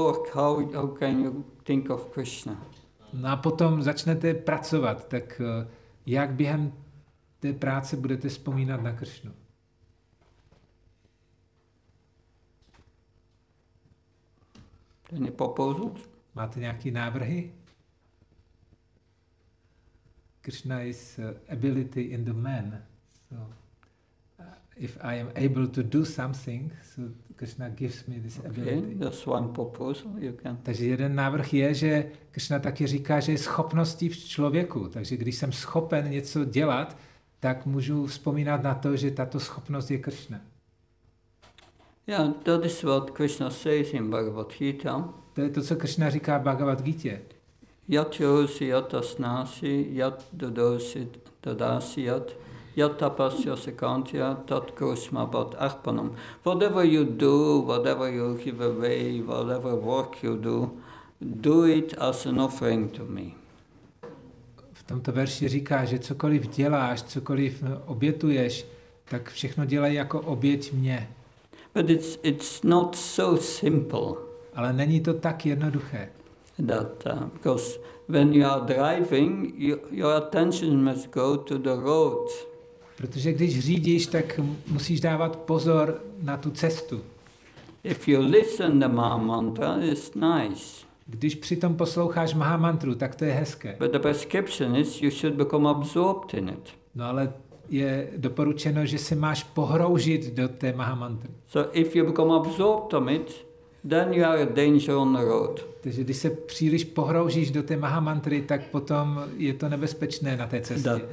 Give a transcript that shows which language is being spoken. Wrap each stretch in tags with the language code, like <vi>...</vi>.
<en>How can you think of Krishna?</en> <cs>No a potom začnete pracovat, tak jak během té práce budete vzpomínat na Kršnu?</cs> <en>Any proposals?</en> <cs>Máte nějaké návrhy?</cs> <en>Krishna is ability in the man. So if I am able to do something, so Krishna gives me this ability. Okay, that's one proposal. You can.</en> <cs>Takže jeden návrh je, že Krishna taky říká, že je schopností v člověku. Takže když jsem schopen něco dělat, tak můžu vzpomínat na to, že tato schopnost je Krishna.</cs> <en>Yeah, that is what Krishna says in Bhagavad Gita.</en> <cs>To je to, co Krishna říká v Bhagavad Gita.</cs> <sa>Yatyosi yatasnasi yatdodosi tadasiyat yatapasyasi kantya tatkosmabhat arpanam.</sa> <en>Whatever you do, whatever you give away, whatever work you do, do it as an offering to me.</en> <cs>V tomto verši říká, že cokoliv děláš, cokoliv obětuješ, tak všechno dělej jako oběť mě.</cs> <en>But it's not so simple.</en> <cs>Ale není to tak jednoduché.</cs> <en>That because when you are driving, your attention must go to the road.</en> <cs>Protože když řídíš, tak musíš dávat pozor na tu cestu.</cs> <en>If you listen the mantra, it's nice.</en> <cs>Když přitom posloucháš mahamantru, tak to je hezké.</cs> <en>But the prescription is you should become absorbed in it.</en> <cs>No ale je doporučeno, že se máš pohroužit do té mahamantry.</cs> <en>So if you become absorbed in it, then you are a danger on the road.</en> <cs>Takže když se příliš pohroužíš do té mahamantry, tak potom je to nebezpečné na té cestě.</cs>